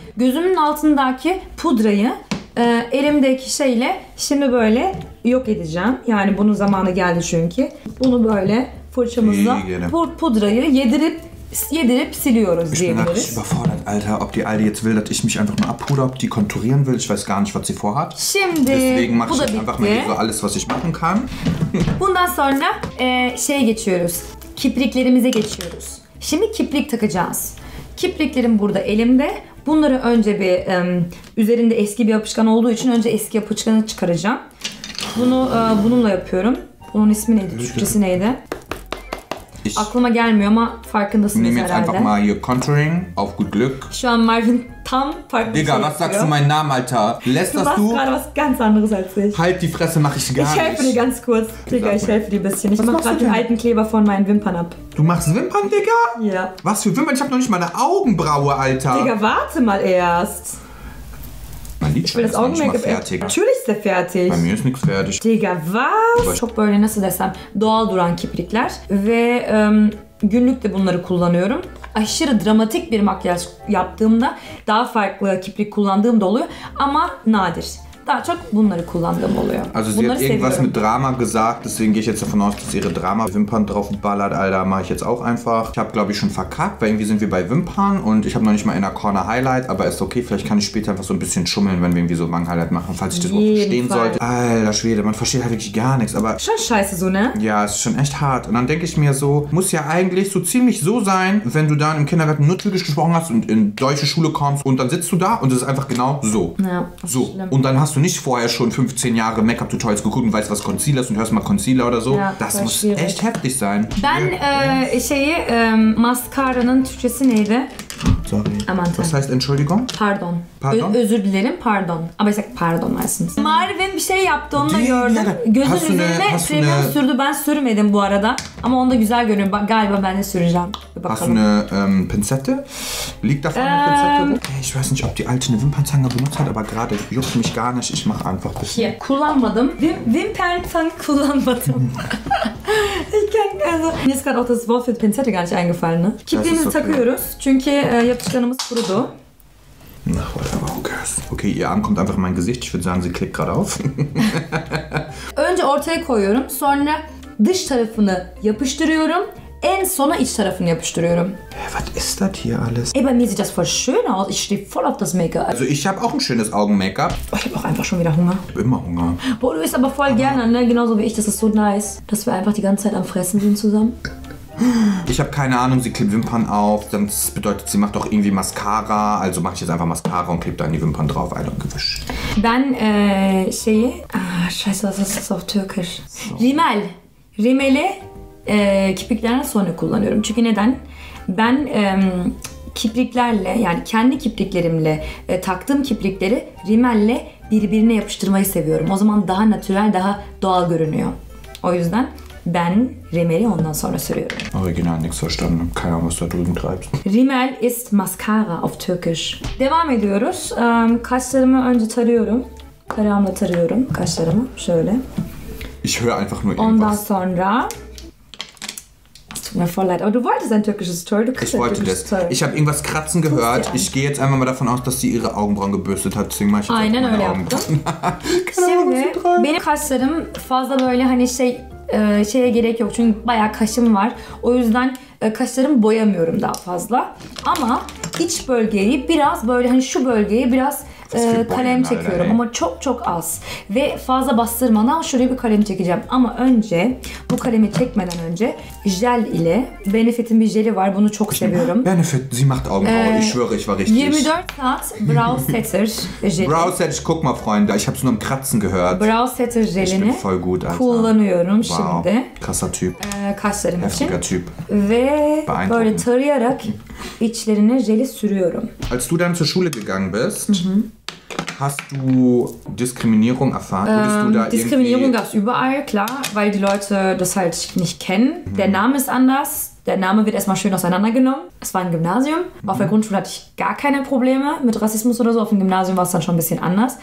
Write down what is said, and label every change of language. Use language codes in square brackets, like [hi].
[tr] Gözümün altındaki pudrayı elimdeki şeyle şimdi böyle yok edeceğim. Yani bunun zamanı geldi çünkü. Bunu böyle fırçamızla pudrayı yedirip siliyoruz diyebiliriz. [de] Ich bin überfordert, Alter. Ob die Aldi jetzt will, dass ich mich einfach nur abpuder, ob die konturieren will. Ich weiß gar nicht, was sie vorhat. [tr] Şimdi [de] deswegen mache ich einfach mal hier so alles, was ich machen kann. [tr] Bundan sonra şeye geçiyoruz. Kipriklerimize geçiyoruz. Şimdi kiprik takacağız. Kipriklerim burada elimde. Bunları önce bir üzerinde eski bir yapışkan olduğu için önce eski yapışkanı çıkaracağım. Bunu bununla yapıyorum. Bunun ismi neydi? Türkçesi neydi? Aklıma gelmiyor ama farkındasınız herhalde. [de] Nehmt einfach mal hier contouring. Auf gut Glück. [tr] Şu an Marvin tam farklı [de] Digga, was sagst du mein Name, Alter? Lässt das du? Du machst gerade was ganz anderes als ich. Halt die Fresse, mach ich gar nicht. Ich helfe dir ganz kurz. Digga, ich helfe dir ein bisschen. Ich mach gerade den alten Kleber von meinen Wimpern ab. Du machst Wimpern, Digga? Ja. Was für Wimpern? Ich hab noch nicht mal eine Augenbraue, Alter. Digga, warte mal erst. Mein Lidschein ist manchmal fertig. Natürlich ist der fertig. Bei mir ist nichts fertig. Digga, was? [tr] Çok böyle nasıl desem, doğal duran kiprikler ve günlük de bunları kullanıyorum. Aşırı dramatik bir makyaj yaptığımda daha farklı kiprik kullandığım da oluyor ama nadir. Daha çok bunları kullandığım oluyor. [de] Also sie hat irgendwas mit Drama gesagt, deswegen gehe ich jetzt davon aus, dass ihre Drama Wimpern drauf ballert, Alter, mache ich jetzt auch einfach. Ich habe glaube ich schon verkackt, weil irgendwie sind wir bei Wimpern und ich habe noch nicht mal in der Corner Highlight, aber ist okay, vielleicht kann ich später einfach so ein bisschen schummeln, wenn wir irgendwie so Wangen Highlight machen, falls ich das überhaupt verstehen sollte. Alter Schwede, man versteht halt wirklich gar nichts, aber schon scheiße so, ne? Ja, es ist schon echt hart und dann denke ich mir so, muss ja eigentlich so ziemlich so sein, wenn du dann im Kindergarten nur Türkisch gesprochen hast und in deutsche Schule kommst und dann sitzt du da und es ist einfach genau so. Ja, so schlimm. Und dann hast du nicht vorher schon 15 Jahre Make-up-Tutorials geguckt und weißt, was Concealer ist und hörst mal Concealer oder so. Ja, das muss schwierig. Echt heftig sein. [tr] Ben Mascara'nın Türkçesi neydi? [en] Sorry. [tr] Aman, [de] was heißt Entschuldigung? Pardon. Pardon? [tr] Özür dilerim, pardon. [de] Aber ich sag pardon meistens. [tr] Marvin bir şey yaptı, onu da gördüm. Gözünün üzerine kremi sürdü. Ben sürmedim bu arada. Ama onu da güzel görünüyor. Galiba ben de süreceğim. [de] Hast du eine Pinzette? Liegt da vorne eine Pinzette? Ich weiß nicht, ob die alte eine Wimpernzange benutzt hat, aber gerade juckt mich gar nicht. Ich mache einfach ein bisschen. [tr] Hier, kullanmadım. Wimpernzange kullanmadım. [de] Ich kann also. Mir ist gerade auch das Wort für Pinzette gar nicht eingefallen, ne? [tr] Kipriğimizi takıyoruz, çünkü yapışkanımız kurudu. [en] Ach, whatever, who cares? [de] Okay, ihr Arm kommt einfach in mein Gesicht. Ich würde sagen, sie klickt gerade auf. [tr] Önce ortaya koyuyorum, sonra dış tarafını yapıştırıyorum. En sona iç tarafını yapıştırıyorum. [de] Was ist das hier alles? Ey, bei mir sieht das voll schön aus. Ich stehe voll auf das Make-up. Also ich habe auch ein schönes Augen-Make-up. Oh, ich habe auch einfach schon wieder Hunger. Ich habe immer Hunger. Boah, du isst aber voll gerne, ne? Genauso wie ich. Das ist so nice, dass wir einfach die ganze Zeit am Fressen sind zusammen. Ich habe keine Ahnung, sie klebt Wimpern auf. Das bedeutet, sie macht doch irgendwie Mascara. Also mache ich jetzt einfach Mascara und klebe dann die Wimpern drauf. Ein und gewischt. [tr] Dann, şey. [de] Ah, scheiße, was ist das auf Türkisch? [tr] So. Rimel. Rimeli. Kipriklerden sonra kullanıyorum. Çünkü neden? Ben kipriklerle, yani kendi kipriklerimle taktığım kiprikleri rimelle birbirine yapıştırmayı seviyorum. O zaman daha natürel, daha doğal görünüyor. O yüzden ben rimeli ondan sonra sürüyorum. [de] Original nix verstanden. Keine Ahnung, was da drüben treibst. Rimmel ist Mascara auf Türkisch. [tr] Devam ediyoruz. Kaşlarımı önce tarıyorum. Tarağımla tarıyorum kaşlarımı. Şöyle. [de] Ich höre einfach nur [tr] irgendwas. Ondan sonra... [de] Tut mir voll leid, aber du wolltest ein türkisches Tor. Du kriegst ich wollte das. Tor. Ich habe irgendwas kratzen gehört. Ich gehe jetzt einfach mal davon aus, dass sie ihre Augenbrauen gebürstet hat. Deswegen mache ich jetzt [tr] aynen öyle [de] Augen. [tr] Yaptım. Şimdi benim kaşlarım fazla böyle hani şey şeye gerek yok. Çünkü bayağı kaşım var. O yüzden kaşlarımı boyamıyorum daha fazla. Ama iç bölgeyi biraz böyle hani şu bölgeyi biraz kalem çekiyorum. Ama çok çok az. Ve fazla bastırmadan şuraya bir kalem çekeceğim. Ama önce bu kalemi çekmeden önce jel ile Benefit'in bir jeli var. Bunu çok seviyorum. [de] Benefit, sie macht Augenbrauen. Ich schwöre, ich war richtig. [tr] 24 Saat Brow Setter jeli. [de] Brow Setter, guck mal Freunde. Ich hab's nur im Kratzen gehört. [tr] Brow Setter jelini [de] ich bin voll gut, Alter. [tr] Kullanıyorum wow. Şimdi. [de] Krasser Typ. [tr] Kaşlarım [de] heftiger [tr] için. [de] Heftiger Typ. [tr] Ve böyle tarayarak içlerine jeli sürüyorum. [de] Als du dann zur Schule gegangen bist, hast du Diskriminierung erfahren? Diskriminierung gab es überall, klar, weil die Leute das halt nicht kennen. Mhm. Der Name ist anders. Der Name wird erstmal schön auseinandergenommen. Es war ein Gymnasium. Auf der Grundschule hatte ich gar keine Probleme mit Rassismus oder so. Auf dem Gymnasium war es dann schon ein bisschen anders.